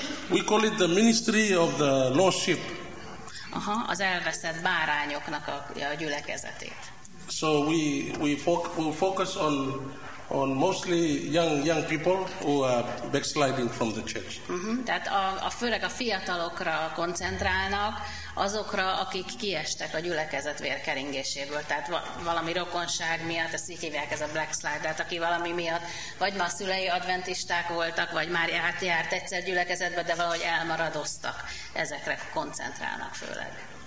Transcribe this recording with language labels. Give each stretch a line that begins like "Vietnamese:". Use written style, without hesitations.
English: We call it the ministry of the lost sheep.
Hungarian: Aha, az elveszett bárányoknak a gyülekezetét.
English: So we focus on mostly young people who are backsliding from the church.
Hungarian: Tehát a főleg a fiatalokra koncentrálnak, azokra, akik kiestek a gyülekezet vérkeringéséből, tehát valami rokonság miatt, ezt így hívják, ez a backslide, tehát aki valami miatt, vagy már szülei adventisták voltak, vagy már járt egyszer gyülekezetbe, de valahogy elmaradoztak, ezekre koncentrálnak főleg.